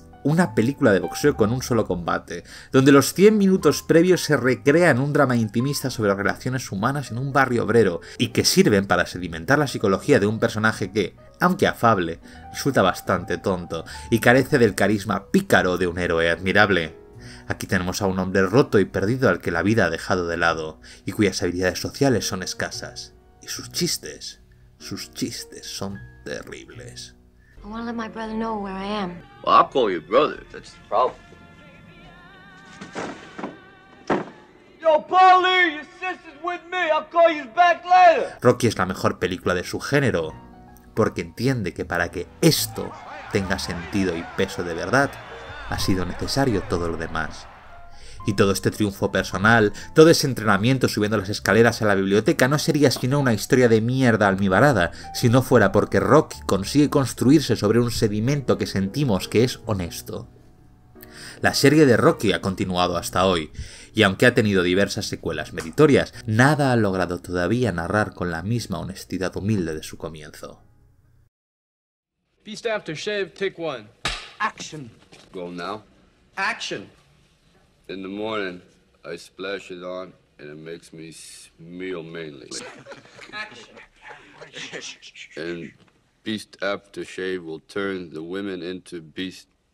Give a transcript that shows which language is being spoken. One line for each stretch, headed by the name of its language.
Spanish: Una película de boxeo con un solo combate, donde los 100 minutos previos se recrean un drama intimista sobre relaciones humanas en un barrio obrero y que sirven para sedimentar la psicología de un personaje que, aunque afable, resulta bastante tonto y carece del carisma pícaro de un héroe admirable. Aquí tenemos a un hombre roto y perdido al que la vida ha dejado de lado y cuyas habilidades sociales son escasas. Y sus chistes son terribles.
English: I want to let my brother know where I am. Well, I'll call your brother if that's the problem. Yo, Paulie, your sister's with me. I'll call you back later.
Spanish: Rocky es la mejor película de su género, porque entiende que para que esto tenga sentido y peso de verdad, ha sido necesario todo lo demás. Y todo este triunfo personal, todo ese entrenamiento subiendo las escaleras a la biblioteca no sería sino una historia de mierda almibarada si no fuera porque Rocky consigue construirse sobre un sedimento que sentimos que es honesto. La serie de Rocky ha continuado hasta hoy, y aunque ha tenido diversas secuelas meritorias, nada ha logrado todavía narrar con la misma honestidad humilde de su comienzo.
English: Beast after shave, take one. Action. Go now. Action. In the morning, I splash it on, and it makes me smell mainly. And beast aftershave will turn the women into beast.